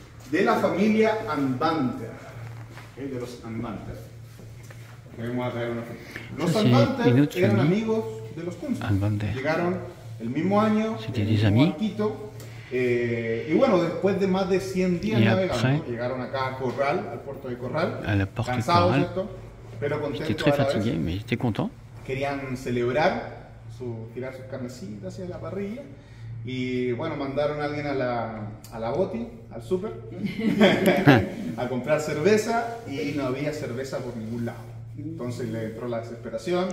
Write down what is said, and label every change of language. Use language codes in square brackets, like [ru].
[es] De la familia Anbanter, ¿eh? De los Anbanter. Vamos a traer una foto. Los Anbanter eran amigos de los Kunstmann. Anbanter. Llegaron el mismo año, en un barquito. Et bueno, después de más de 100 días navegando, llegaron acá a Corral, al puerto de Corral. [fr] À la porte de Corral. J'étais très fatigué, mais j'étais content. [es] Querían celebrar, tirar sus carnecitas hacia la parrilla. Y bueno, mandaron a alguien a la boti, al súper, a comprar cerveza y no había cerveza por ningún lado. Entonces le entró la desesperación,